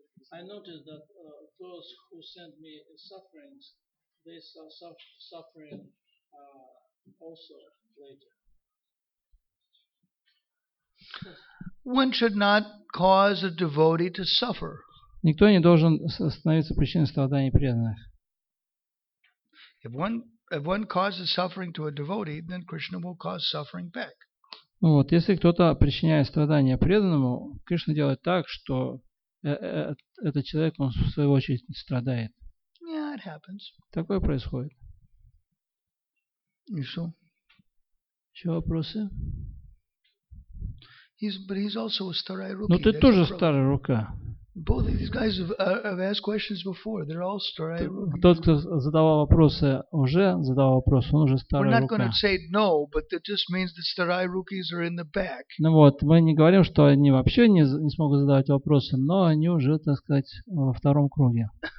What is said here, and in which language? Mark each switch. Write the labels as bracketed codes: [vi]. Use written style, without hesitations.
[en] I noticed that those who sent me sufferings, they are suffering also later. One should not cause a devotee to suffer. [ru] Никто не должен становиться причиной страданий преданных. [en] If one causes suffering to a devotee, then Krishna will cause suffering back. [ru] Ну вот, если кто-то причиняет страдания преданному, Кришна делает так, что этот человек, он в свою очередь страдает. [en] Yeah, it happens. [ru] Такое происходит. И что? Еще вопросы? [en] He's also a [ru] starai ruki. Но ты тоже старая рука. [en] Both of these guys have asked questions before. They're all [ru] starai ruki. Тот, кто задавал вопросы, уже задавал вопросы, он уже старая рука. [en] We're not going to say no, but it just means the [ru] starai rukis [en] are in the back. [ru] Ну вот, мы не говорим, что они вообще не смогут задавать вопросы, но они уже, так сказать, во втором круге.